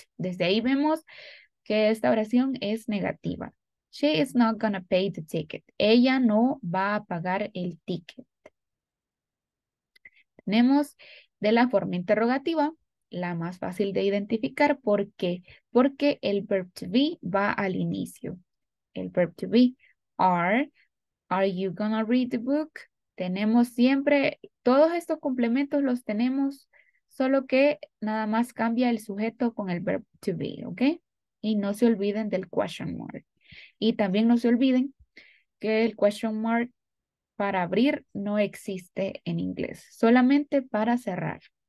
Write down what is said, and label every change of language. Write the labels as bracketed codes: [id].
[es] Desde ahí vemos que esta oración es negativa. [en] She is not gonna pay the ticket. [es] Ella no va a pagar el ticket. Tenemos de la forma interrogativa, la más fácil de identificar. ¿Por qué? Porque el verb to be va al inicio. [en] El verb to be, are you gonna read the book? [es] Tenemos siempre, todos estos complementos los tenemos, solo que nada más cambia el sujeto con el verb to be, ¿ok? Y no se olviden del question mark. Y también no se olviden que el question mark para abrir no existe en inglés, solamente para cerrar.